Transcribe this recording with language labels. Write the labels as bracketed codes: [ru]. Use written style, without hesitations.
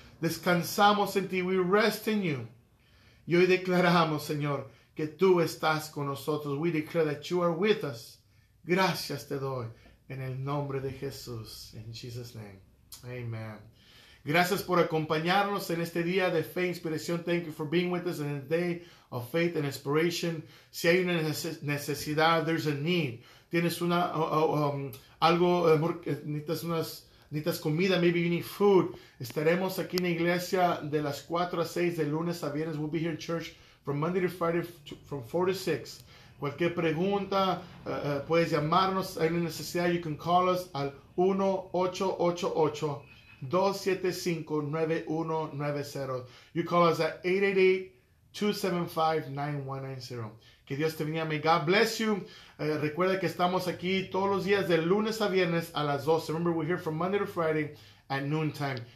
[es] Descansamos en ti. [en] We rest in you. [es] Y hoy declaramos, Señor, que tú estás con nosotros. [en] We declare that you are with us. [es] Gracias te doy. En el nombre de Jesús. [en] In Jesus' name. [es] Amen. Gracias por acompañarnos en este día de fe e inspiración. [en] Thank you for being with us in a day of faith and inspiration. [es] Si hay una necesidad, [en] there's a need. [es] Tienes una, algo, necesitas comida, [en] maybe you need food. [es] Estaremos aquí en la iglesia de las 4 a 6 de lunes a viernes. [en] We'll be here in church from Monday to Friday from 4 to 6. [es] Cualquier pregunta, puedes llamarnos. Hay una necesidad, [en] you can call us [es] al 1-888-275-9190. [en] You call us at 888-275-9190. [es] Que Dios te bendiga. [en] May God bless you. [es] Recuerda que estamos aquí todos los días de lunes a viernes a las 12. [en] Remember, we're here from Monday to Friday at noontime.